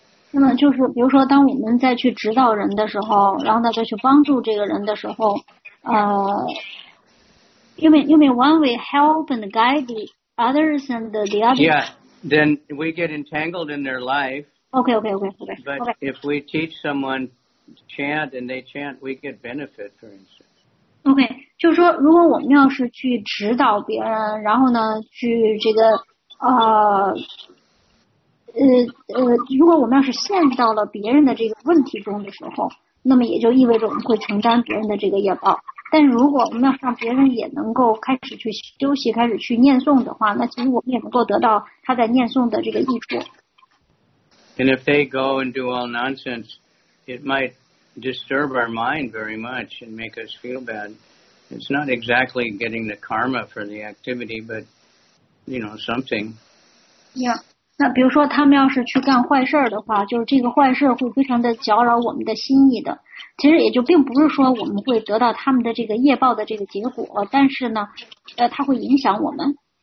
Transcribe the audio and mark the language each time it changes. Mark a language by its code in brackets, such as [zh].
[zh] 那么就是，比如说，当我们再去指导人的时候，然后呢，再去帮助这个人的时候，因为 [en] when we help and guide the others and the other, yeah, then we get entangled in their life. Okay. But if we teach someone chant and they chant, we get benefit, for instance. Okay. [zh] 就是说，如果我们要是去指导别人，然后呢，去这个如果我们要是陷到了别人的这个问题中的时候，那么也就意味着我们会承担别人的这个业报。但如果我们要让别人也能够开始去休息，开始去念诵的话，那其实我们也能够得到他在念诵的这个益处。 [en] And if they go and do all nonsense, it might disturb our mind very much and make us feel bad. It's not exactly getting the karma for the activity, but, you know, something. Yeah. [zh] 那比如说他们要是去干坏事的话，就是这个坏事会非常的搅扰我们的心意的。其实也就并不是说我们会得到他们的这个业报的这个结果，但是呢它会影响我们。